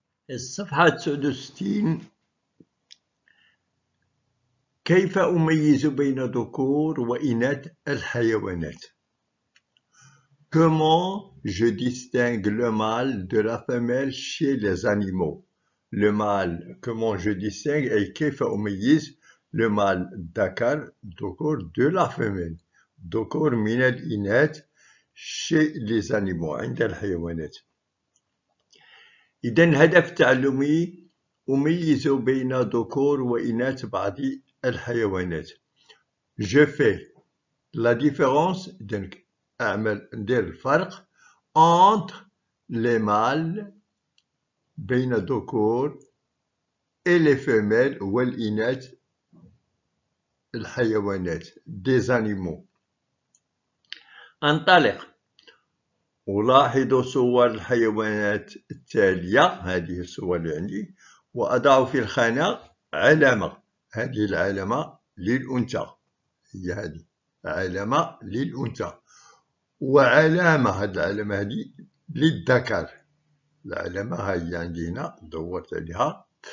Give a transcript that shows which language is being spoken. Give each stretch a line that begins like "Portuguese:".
Arabic: الصفحة 69، كيف أميز بين ذكور وإناث الحيوانات.
French: Comment je distingue le mâle de la femelle chez les animaux? Le mâle, comment je distingue et
Arabic: كيف أميز
French: le mâle
Arabic: ذكر ذكور
French: de la femelle
Arabic: ذكور من الإناث
French: chez les animaux
Arabic: عند الحيوانات. إذن هدف تعلمي أميز بين ذكور وإناث بعض الحيوانات.
French: Je fais la différence, donc
Arabic: أعمل ندير الفرق
French: entre les mâles
Arabic: بين الذكور
French: et les femelles
Arabic: والإناث الحيوانات
French: des animaux.
Arabic: انطلق ألاحظوا صور الحيوانات التالية، هذه الصور اللي عندي، وأضع في الخانة علامة، هذه العلامة للأنثى، هي هذه علامة للأنثى، وعلامة هذه العلامة هذه للذكر، العلامة هي عندي هنا دورت عليها.